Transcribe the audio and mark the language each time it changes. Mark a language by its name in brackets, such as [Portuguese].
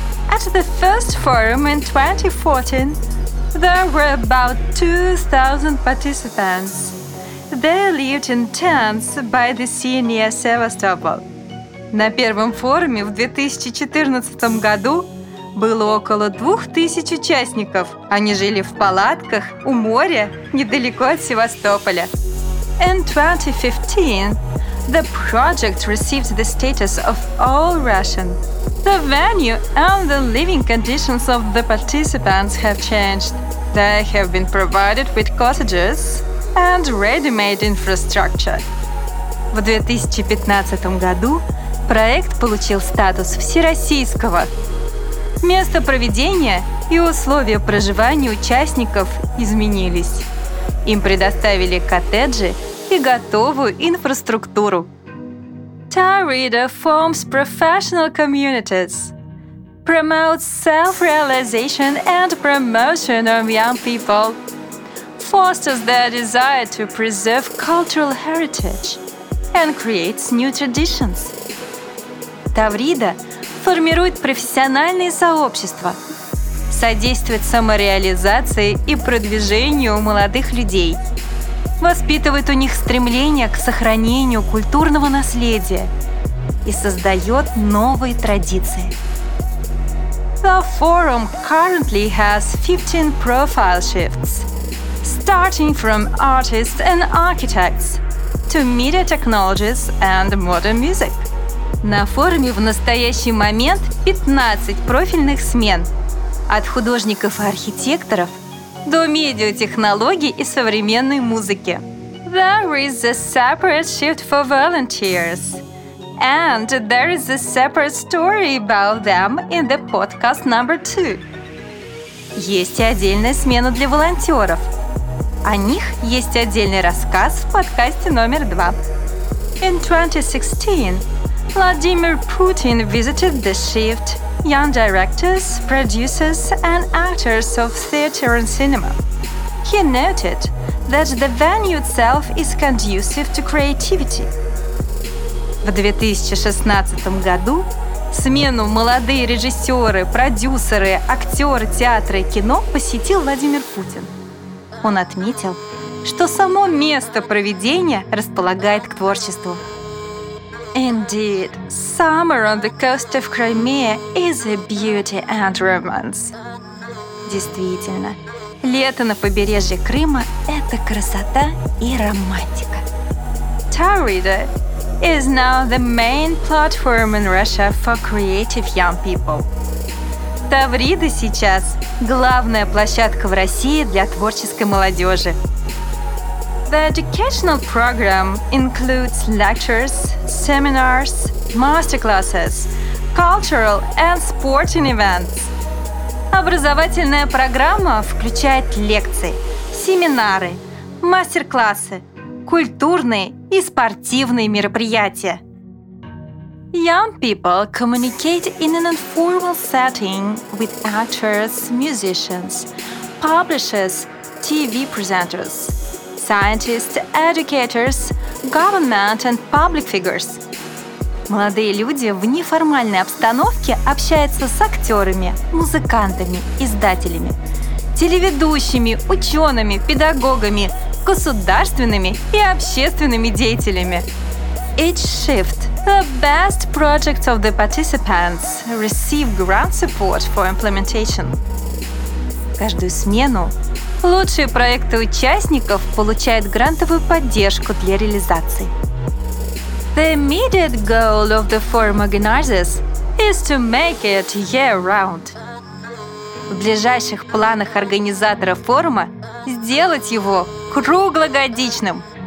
[English] At the first forum in 2014, there were about 2,000 participants. They lived in tents by the sea near Sevastopol. [Russian] На первом форуме в 2014 году было около 2000 участников. Они жили в палатках у моря недалеко от Севастополя. [English] In 2015, the project received the status of all Russian. The venue and the living conditions of the participants have changed. They have been provided with cottages and ready-made infrastructure. [Russian] В 2015 году проект получил статус всероссийского. Место проведения и условия проживания участников изменились. Им предоставили коттеджи и готовую инфраструктуру. [English] Таврида forms professional communities, promotes self-realization and promotion of young people, fosters their desire to preserve cultural heritage and creates new traditions. [Russian] Таврида формирует профессиональные сообщества, содействует самореализации и продвижению молодых людей, воспитывает у них стремление к сохранению культурного наследия и создает новые традиции. [English] The forum currently has 15 profile shifts, starting from artists and architects to media technologies and modern music. [Russian] На форуме в настоящий момент 15 профильных смен от художников и архитекторов до медиатехнологий и современной музыки. [English] There is a separate shift for volunteers, And there is a separate story about them in the podcast number 2. [Russian] Есть и отдельная смена для волонтеров. О них есть отдельный рассказ в подкасте номер 2. [English] In 2016, Vladimir Putin visited the shift young directors, producers, and actors of theater and cinema. He noted that the venue itself is conducive to creativity. [Russian] В 2016 году смену молодые режиссеры, продюсеры, актеры театра и кино посетил Владимир Путин. Он отметил, что само место проведения располагает к творчеству. [English] Indeed, summer on the coast of Crimea is a beauty and romance. [Russian] Действительно, лето на побережье Крыма – это красота и романтика. [English] Taurida is now the main platform in Russia for creative young people. [Russian] Таврида сейчас – главная площадка в России для творческой молодежи. [English] The educational program includes lectures, seminars, masterclasses, cultural and sporting events. [Russian] Образовательная программа включает лекции, семинары, мастер-классы, культурные и спортивные мероприятия. [English] Young people communicate in an informal setting with actors, musicians, publishers, TV presenters, scientists, educators, government and public figures. [Russian] Молодые люди в неформальной обстановке общаются с актерами, музыкантами, издателями, телеведущими, учеными, педагогами, государственными и общественными деятелями. [English] Each shift, the best projects of the participants, receive grant support for implementation. [Russian] Каждую смену лучшие проекты участников получают грантовую поддержку для реализации. [English] The immediate goal of the forum organizers is to make it year-round. [Russian] В ближайших планах организаторов форума сделать его круглогодичным.